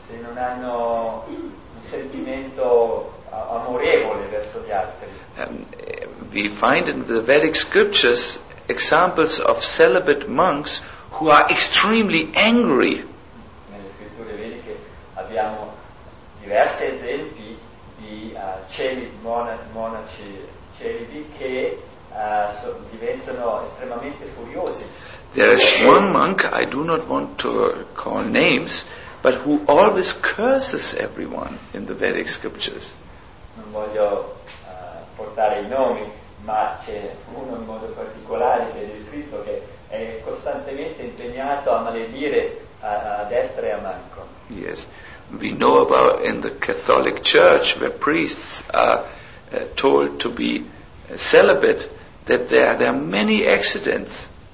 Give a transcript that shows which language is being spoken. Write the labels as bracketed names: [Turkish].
[Italian] Se non hanno un sentimento amorevole verso gli altri. [English] We find in the Vedic scriptures examples of celibate monks who are extremely angry. [Italian] Nelle scritture vediche abbiamo diversi esempi di monaci celibi che diventano estremamente furiosi. [English] There is one monk, I do not want to call names, but who always curses everyone in the Vedic scriptures. [Italian] Non voglio portare i nomi, ma c'è uno in modo particolare che è descritto che è costantemente impegnato a maledire a destra e a manco. [English] Yes, we know about in the Catholic Church where priests are told to be celibate that there are many accidents.